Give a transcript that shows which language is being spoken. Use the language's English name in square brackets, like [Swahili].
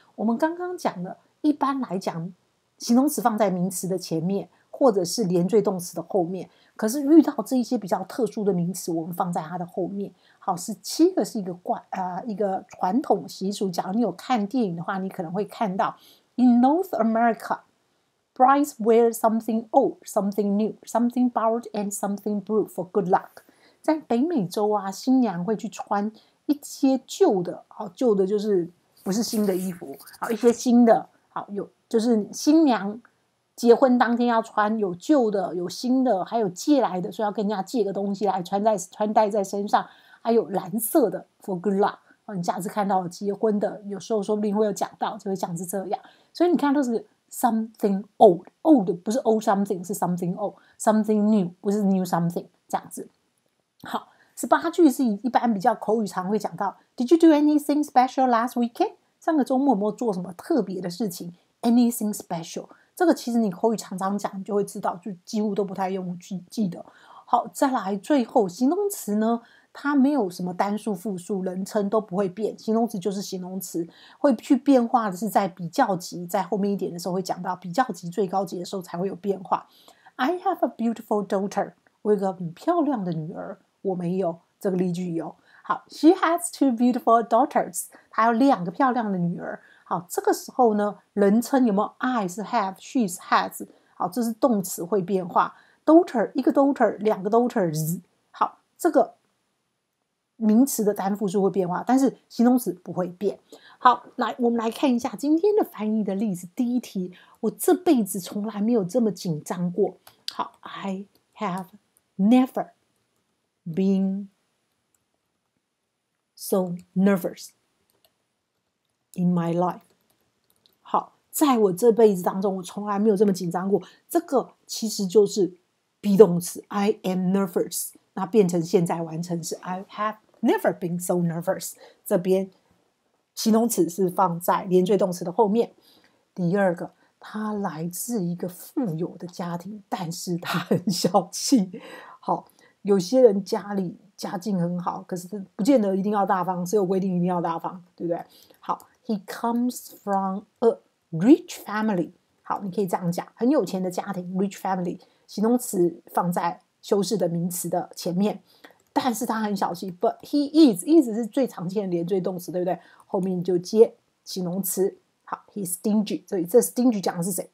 [Chinese] 我们刚刚讲的，一般来讲，形容词放在名词的前面，或者是连缀动词的后面。可是遇到这一些比较特殊的名词，我们放在它的后面。好，是七个是一个惯啊、一个传统习俗。假如你有看电影的话，你可能会看到。 [English] In North America, brides wear something old, something new, something borrowed, and something blue for good luck. [Chinese] 在北美洲啊，新娘会去穿一些旧的，好，旧的就是不是新的衣服，好，一些新的，好，有，就是新娘结婚当天要穿有旧的，有新的，还有借来的，所以要跟人家借个东西来穿戴在身上，还有蓝色的 [English] for good luck。 [Chinese] 你下次看到结婚的，有时候说不定会有讲到，就会讲是这样。所以你看都是 [English] something old， [Chinese] old 不是 [English] old something， [Chinese] 是 something old， [English] something new [Chinese] 不是 [English] new something， [Chinese] 这样子。好，十八句是一般比较口语常会讲到。 [English] Did you do anything special last weekend？ [Chinese] 上个周末有没有做什么特别的事情 ？ [English] Anything special？ [Chinese] 这个其实你口语常常讲，就会知道，就几乎都不太用去记得。好，再来最后形容词呢？它没有什么单数、复数、人称都不会变，形容词就是形容词，会去变化的是在比较级，在后面一点的时候会讲到比较级最高级的时候才会有变化。 [English] I have a beautiful daughter， [Chinese] 我有个很漂亮的女儿，我没有，这个例句有。好 ， [English] She has two beautiful daughters， [Chinese] 她有两个漂亮的女儿。好，这个时候呢，人称有没有 I 是 have， she 是 has， 好，这是动词会变化 ，daughter 一个 daughter， 两个 daughters， 好，这个。名词的单复数会变化，但是形容词不会变。好，来，我们来看一下今天的翻译的例子。第一题，我这辈子从来没有这么紧张过。 [English] 好 ，I have never been so nervous in my life。 [Chinese] 好，在我这辈子当中，我从来没有这么紧张过。这个其实就是 be 动词 ， [English] I am nervous， [Chinese] 那变成现在完成是 [English] I have。 Never been so nervous. [Chinese] 这边形容词是放在连缀动词的后面。第二个，他来自一个富有的家庭，但是他很小气。好，有些人家里家境很好，可是不见得一定要大方，是有规定一定要大方，对不对？ [English] 好 ，He comes from a rich family. [Chinese] 好，你可以这样讲，很有钱的家庭 ， [English] rich family. [Chinese] 形容词放在修饰的名词的前面。但是他很小气 ， [English] but he is [Chinese] 是最常见的连缀动词，对不对？后面就接形容词。好 ， [English] he stingy， [Chinese] 所以这 stingy 讲的是谁？